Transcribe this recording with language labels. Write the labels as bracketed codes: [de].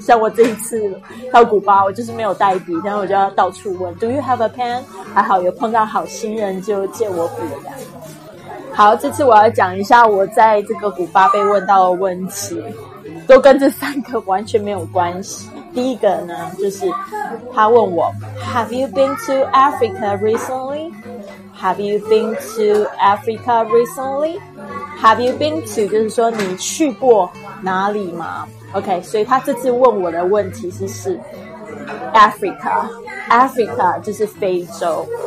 [zh] 像我这一次到古巴，我就是没有带笔，然后我就要到处问 [en] Do you have a pen? [zh] 还好有碰到好心人就借我笔这样。好，这次我要讲一下我在这个古巴被问到的问题，都跟这三个完全没有关系。第一个呢，就是他问我 [en] Have you been to Africa recently? Have you been to Africa recently? Have you been to [zh] 就是说你去过哪里吗？ OK， 所以他这次问我的问题是 Africa 就是非洲。